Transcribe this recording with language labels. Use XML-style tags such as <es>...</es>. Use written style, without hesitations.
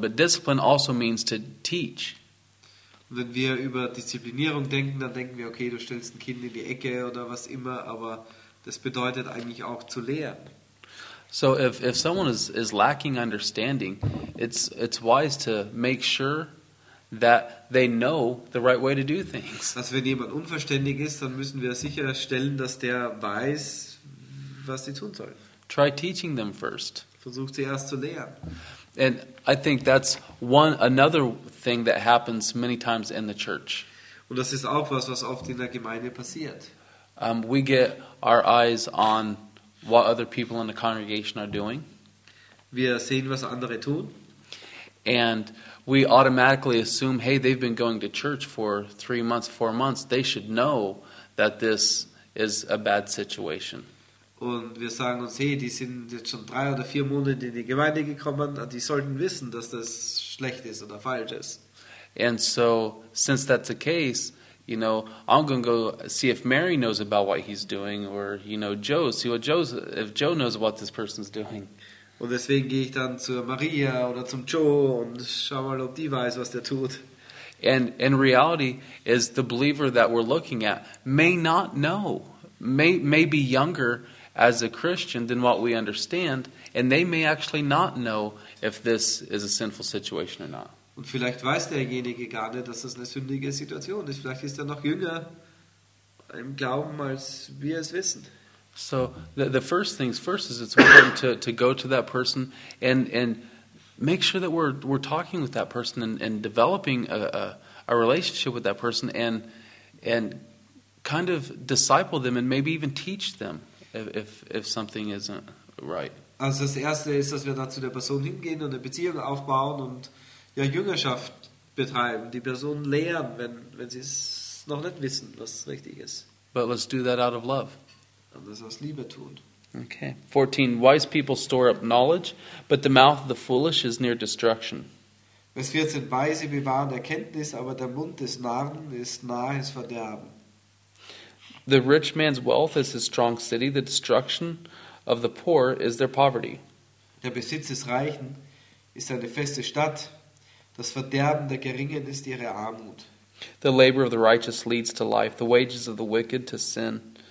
<en>But discipline also means to teach.</en> <de>Und wenn wir über Disziplinierung denken, dann denken wir, okay, du stellst ein Kind in die Ecke oder was immer, aber das bedeutet eigentlich auch zu lehren.</de> <en>So if someone is lacking understanding, it's wise to make sure that they know the right way to do things.</en> <de>Also wenn jemand unverständig ist, dann müssen wir sicherstellen, dass der weiß, was sie tun sollen.</de> <en>Try teaching them first.</en> <de>Versucht sie erst zu lehren.</de> <en>And I think that's another thing that happens many times in the church.</en> <de>Und das ist auch was oft in der Gemeinde passiert.</de> <en>We get our eyes on what other people in the congregation are doing.</en> <de>Wir sehen, was andere tun.</de> <en>And we automatically assume, hey, they've been going to church for 3 months, 4 months, they should know that this is a bad situation.</en> <de>Und wir sagen uns, hey, die sind jetzt schon 3 oder 4 Monate in die Gemeinde gekommen, die sollten wissen, dass das schlecht ist oder falsch ist.</de> <en>And so, since that's the case, I'm going to go see if Mary knows about what he's doing, or Joe, see what Joe's, if Joe knows what this person's doing.</en> <de>Und deswegen gehe ich dann zu Maria oder zum Joe und schau mal, ob die weiß, was der tut.</de> <en>And in reality, is the believer that we're looking at may not know, may be younger as a Christian than what we understand, and they may actually not know if this is a sinful situation or not.</en> <de>Und vielleicht weiß derjenige gar nicht, dass das eine sündige Situation ist. Vielleicht ist er noch jünger im Glauben, als wir es wissen.</de> <en>So, the first things first is it's important to go to that person and make sure that we're talking with that person and developing a relationship with that person and kind of disciple them and maybe even teach them if something isn't right.</en> <de>Also das Erste ist, dass wir da zu der Person hingehen und eine Beziehung aufbauen und ja, Jüngerschaft betreiben, die Person lehren, wenn sie es noch nicht wissen, was richtig ist.</de> <en>But let's do that out of love.</en> <de>Und das aus Liebe tun.</de> <en>Okay. 14. Wise people store up knowledge, but the mouth of the foolish is near destruction.</en> <de>Vers 14. Weise bewahren Erkenntnis, aber der Mund des Narren ist nahes Verderben.</de> <en>The rich man's wealth is his strong city. The destruction of the poor is their poverty.</en> <de>Der Besitz des Reichen ist eine feste Stadt. Das Verderben der Geringen ist ihre Armut.</de> <en>The labor of the righteous leads to life. The wages of the wicked to sin.</en>